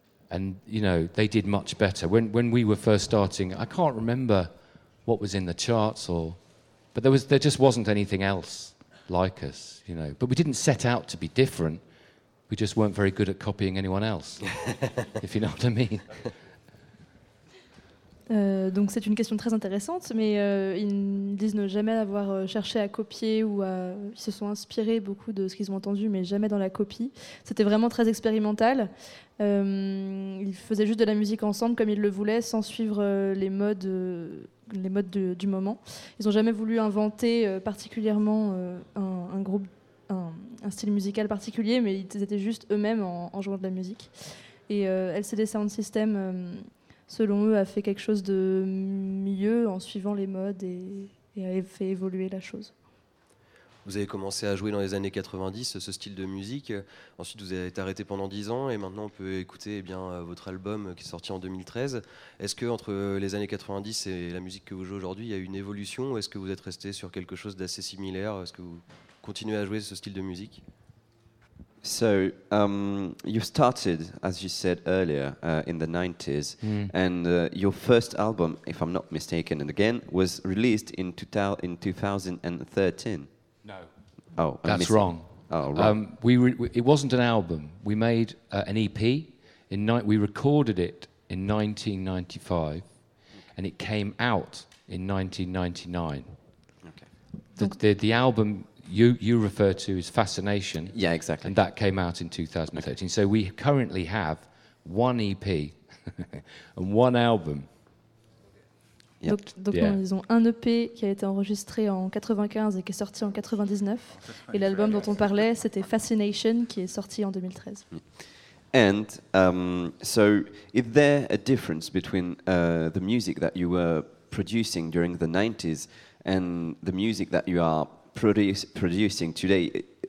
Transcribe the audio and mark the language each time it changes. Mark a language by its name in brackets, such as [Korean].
[English] And, you know, they did much better. When we were first starting, I can't remember what was in the charts, but there just wasn't anything else like us, you know. But we didn't set out to be different. We just weren't very good at copying anyone else, if you know what I mean. [French] Donc c'est une question très intéressante, mais ils disent ne jamais avoir cherché à copier ou à... Ils se sont inspirés beaucoup de ce qu'ils ont entendu, mais jamais dans la copie. C'était vraiment très expérimental. Ils faisaient juste de la musique ensemble comme ils le voulaient, sans suivre les modes du moment. Ils n'ont jamais voulu inventer particulièrement un groupe, un style musical particulier, mais ils étaient juste eux-mêmes en jouant de la musique. Et LCD Sound System, selon eux, a fait quelque chose de mieux en suivant les modes et a fait évoluer la chose. Vous avez commencé à jouer dans les années 90 ce style de musique, ensuite vous avez été arrêté pendant 10 ans et maintenant on peut écouter votre album qui est sorti en 2013. Est-ce qu'entre les années 90 et la musique que vous jouez aujourd'hui, il y a une évolution ou est-ce que vous êtes resté sur quelque chose d'assez similaire? Est-ce que vous continuez à jouer ce style de musique? [English] So, you started, as you said earlier, in the 90s, and your first album, if I'm not mistaken, and again, was released in 2013. No. Oh, that's wrong. It wasn't an album. We made an EP. We recorded it in 1995, and it came out in 1999. Okay. The album you refer to is Fascination. Yeah, exactly. And that came out in 2013. Okay. So we currently have one EP and one album. Yep. [French] Donc, ils ont un EP qui a été enregistré en 95 et qui est sorti en 99. Et l'album dont on parlait, c'était Fascination, qui est sorti en 2013. [English] And so, is there a difference between the music that you were producing during the 90s and the music that you are producing today?